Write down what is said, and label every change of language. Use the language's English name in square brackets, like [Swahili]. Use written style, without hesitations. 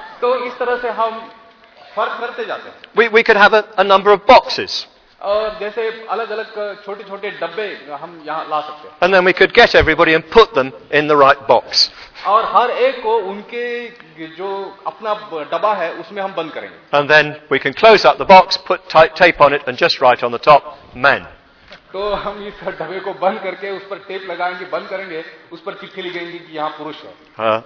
[Hindi] तो इस तरह से हम फर्क करते जाते हैं। [English] We could have a number of boxes. [Hindi] जैसे अलग-अलग छोटे-छोटे डब्बे हम यहाँ ला सकते हैं। [English] And then we could get everybody and put them in the right box. [Hindi] और हर एक को उनके जो अपना डब्बा है उसमें हम बंद करेंगे। [English] And then we can close up the box, put tape on it, and just write on the top, men. [Hindi] तो हम इस डब्बे को बंद करके उस पर टेप लगाएंगे, बंद करेंगे, उस पर चिट्ठी लिखेंगे कि यहाँ पुरुष है।